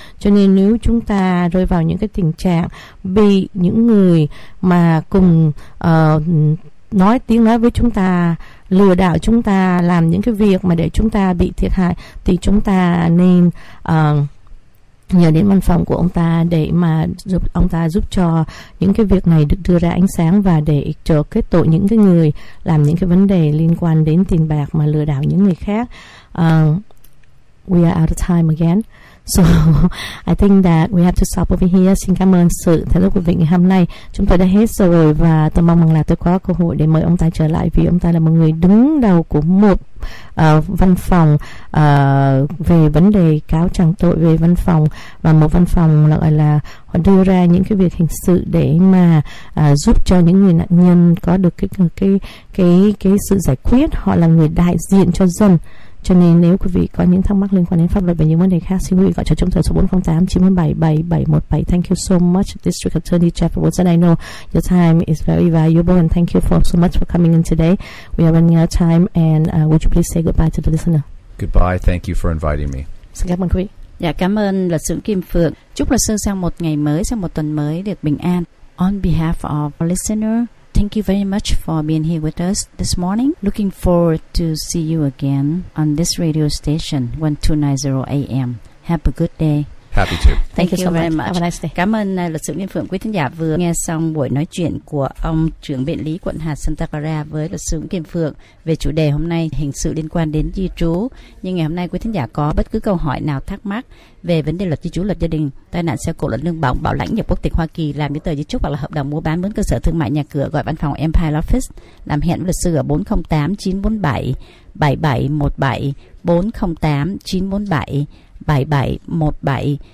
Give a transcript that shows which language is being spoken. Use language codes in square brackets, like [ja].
[vi] Cho nên nếu chúng ta rơi vào những cái tình trạng bị những người mà cùng nói với chúng ta, lừa đảo chúng ta, làm những cái việc mà để chúng ta bị thiệt hại, thì chúng ta nên nhờ đến văn phòng của ông ta để mà giúp ông ta giúp cho những cái việc này được đưa ra ánh sáng, và để cho kết tội những cái người làm những cái vấn đề liên quan đến tiền bạc mà lừa đảo những người khác. [en] We are out of time again. So I think that we have to stop over here. [vi] Xin cảm ơn sự thái độ của vị ngày hôm nay. Chúng tôi đã hết rồi, và tôi mong rằng là tôi có cơ hội để mời ông ta trở lại, vì ông ta là một người đứng đầu của một văn phòng về vấn đề cáo trạng tội về văn phòng, và một văn phòng gọi là họ đưa ra những cái việc hình sự để mà giúp cho những người nạn nhân có được cái sự giải quyết. Họ là người đại diện cho dân. Cho nên nếu quý vị có những thắc mắc liên quan đến pháp luật và những vấn đề khác, xin quý vị gọi cho chúng tôi số 408-977-7717. [en] Thank you so much, District Attorney Jeff Wilson. I know your time is very valuable, and thank you so much for coming in today. We are running out of time, and would you please say goodbye to the listener? Goodbye. Thank you for inviting me. [vi] Xin cảm ơn quý vị. Dạ, cảm ơn luật sư Kim Phượng. Chúc luật sư sang một ngày mới, sang một tuần mới được bình an. [en] On behalf of our listener, thank you very much for being here with us this morning. Looking forward to see you again on this radio station, 1290 AM. Have a good day. Happy to. Thank you so much. Have a nice day. [vi] Cảm ơn luật sư Nguyễn Phượng. Quý thính giả vừa nghe xong buổi nói chuyện của ông trưởng biện lý quận hạt Santa Clara với luật sư Nguyễn Phượng về chủ đề hôm nay, hình sự liên quan đến di trú. Nhưng ngày hôm nay quý thính giả có bất cứ câu hỏi nào thắc mắc về vấn đề luật di trú, luật gia đình, tai nạn xe cộ, luật lương bổng, bảo lãnh nhập quốc tịch Hoa Kỳ, làm giấy tờ di chúc hoặc là hợp đồng mua bán mướn cơ sở thương mại nhà cửa, gọi văn phòng Empire Office làm hẹn luật sư ở 408-947-7717, 408-947-7717.